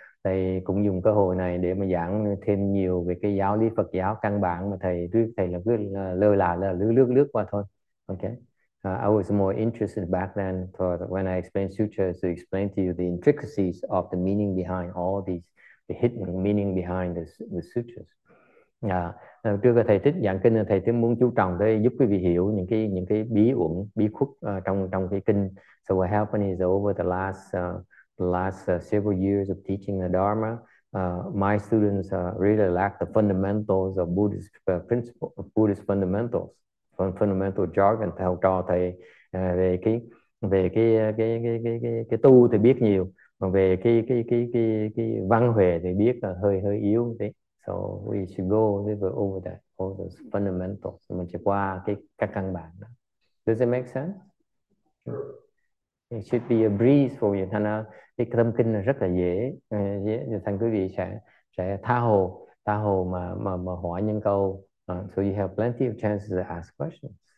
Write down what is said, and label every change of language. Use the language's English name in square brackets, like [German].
[Vietnamese] Thầy cũng dùng cơ hội này để mà giảng thêm nhiều về cái giáo lý Phật giáo căn bản mà thầy là cứ lơ là lướt qua thôi. [English] Okay. I was more interested back then for when I explained sutras to explain to you the intricacies of the meaning behind all these, the hidden meaning behind the sutras. [Vietnamese] Trước thầy thích giảng kinh thầy thích muốn chú trọng tới giúp quý vị hiểu những cái bí uẩn bí khúc trong cái kinh. [English] So what happened is over the last several years of teaching the Dharma, my students really lack the fundamentals of Buddhist Buddhist fundamentals, fundamental jargon. [Vietnamese] Theo trò thầy về cái tu thì biết nhiều, còn về cái văn huệ thì biết là hơi yếu một tí. [English] So we should go a little bit over that, all those fundamentals. [Vietnamese] Mình sẽ qua cái căn bản đó. [English] Does it make sense? Sure. It should be a breeze for you. [Vietnamese] Thành ra cái tâm kinh là rất là dễ. Thành quý vị sẽ tha hồ mà hỏi những câu. [English] So you have plenty of chances to ask questions.